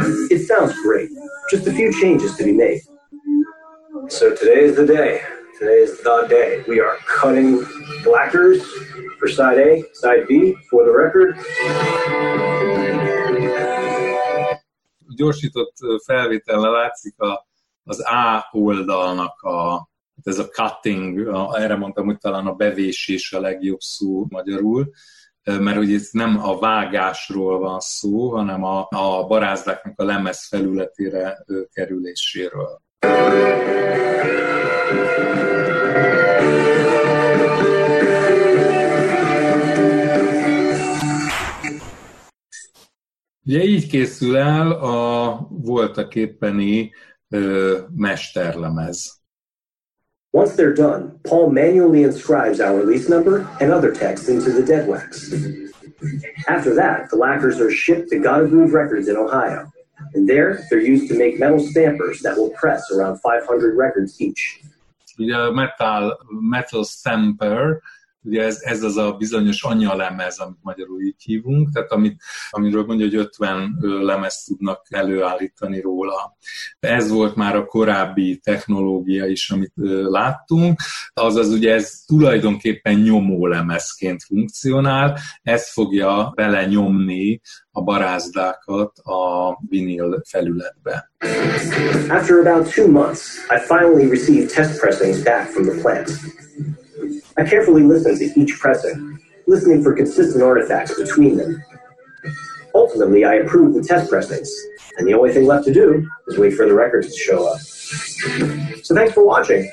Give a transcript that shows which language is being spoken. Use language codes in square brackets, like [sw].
[en] It sounds great. Just a few changes to be made. So today is the day. Today is the day. We are cutting lacquers for side A, side B, for the record. [hu] Gyorsított felvétellel látszik az A oldalnak ez a cutting, erre mondtam, hogy talán a bevésés a legjobb szó magyarul, mert ugye itt nem a vágásról van szó, hanem a barázdáknak a lemez felületére kerüléséről. Ugye így készül el a voltaképpeni mesterlemez. [en] Once they're done, Paul manually inscribes our release number and other text into the dead wax. After that, the lacquers are shipped to Gotta Groove Records in Ohio. And there, they're used to make metal stampers that will press around 500 records each. [hu] Ugye a metal stamper, ugye ez az a bizonyos anyalemez, amit magyarul így hívunk, tehát amiről mondja, hogy 50 lemezt tudnak előállítani róla. Ez volt már a korábbi technológia is, amit láttunk, azaz ugye ez tulajdonképpen nyomólemezként funkcionál, ez fogja belenyomni a barázdákat a vinil felületbe. [en] After about 2 months, I finally received test pressings back from the plant. I carefully listened to each pressing, listening for consistent artifacts between them. Ultimately, I approved the test pressings, and the only thing left to do is wait for the records to show up. So thanks for watching.